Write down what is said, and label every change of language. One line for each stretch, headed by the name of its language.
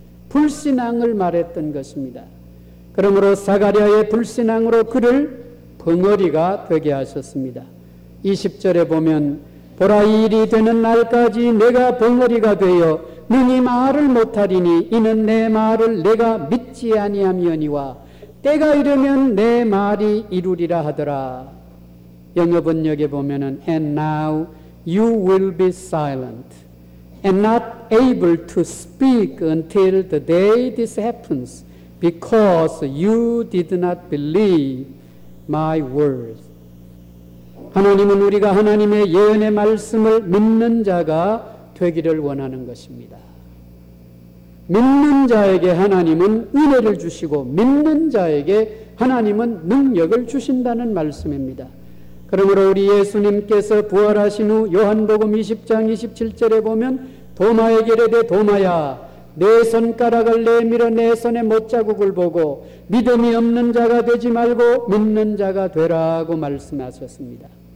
Korean: 불신앙을 말했던 것입니다. 그러므로 사가랴의 불신앙으로 그를 벙어리가 되게 하셨습니다. 20절에 보면 보라 이 일이 되는 날까지 내가 벙어리가 되어 능히 말을 못하리니 이는 내 말을 내가 믿지 아니하며니와 때가 이르면 내 말이 이루리라 하더라. 영어 번역에 보면은
English: And now you will be silent and not able to speak until the day this happens because you did not believe my words.
Korean: 하나님은 우리가 하나님의 예언의 말씀을 믿는 자가 되기를 원하는 것입니다. 믿는 자에게 하나님은 은혜를 주시고 믿는 자에게 하나님은 능력을 주신다는 말씀입니다. 그러므로 우리 예수님께서 부활하신 후 요한복음 20장 27절에 보면 도마에게 이르되 도마야 내 손가락을 내밀어 내 손의 못자국을 보고 믿음이 없는 자가 되지 말고 믿는 자가 되라고 말씀하셨습니다.